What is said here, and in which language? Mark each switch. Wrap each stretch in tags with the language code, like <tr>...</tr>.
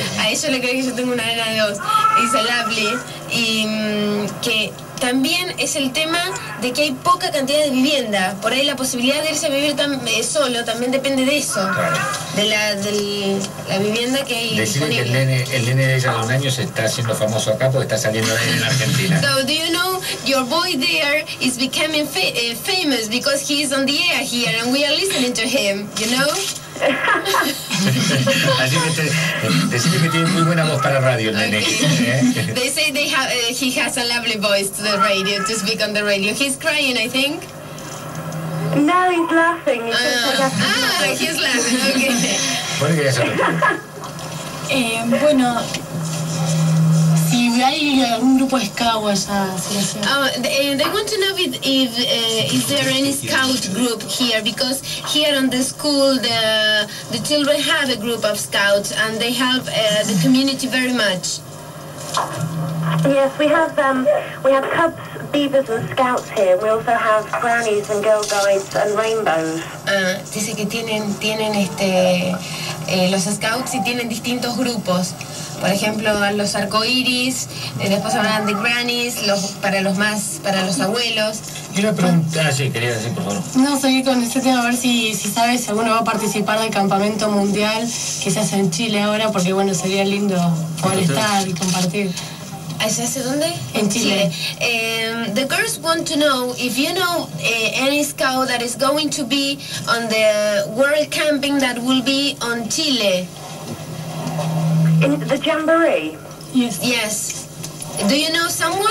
<es>a ella le cree que yo tengo una nena de dos. Dice lovely. Y que también es el tema de que hay poca cantidad de vivienda. Por ahí la posibilidad de irse a vivir solo también depende de eso. Claro. De la vivienda que hay. Decirle que el nene de ella de un año se está haciendo famoso acá porque está saliendo de en Argentina.</es> <en>So, do you know your boy there is becoming famous because he is on the air here and we are listening to him, you know?</en> <es>Así que decirle que tiene muy buena voz para radio, nene.</es> <en>They say they have he has a lovely voice to the radio, to speak on the radio. He's crying, I think. No, he's laughing. He's laughing.</en> <es>Okay. Bueno, eso. Bueno, si hay algún grupo de scout allá.</es> <en>They want to know if there any scout group here, because here on the school the children have a group of scouts and they help the community very much. Yes, we have cubs, beavers and scouts here. We also have brownies and girl guides and rainbows.</en> <es>Dice que tienen los scouts y tienen distintos grupos. Por ejemplo, los arcoíris, después hablan de grannies, para los abuelos. Quiero preguntar, quería decir, por favor. No, seguir con este tema, a ver si sabes si alguno va a participar del campamento mundial que se hace en Chile ahora, porque bueno, sería lindo poder estar y compartir. ¿Se hace dónde? En Chile.</es> <en>The girls want to know if you know any scout that is going to be on the world camping that will be on Chile. In the jamboree? Yes. Do you know someone?</en>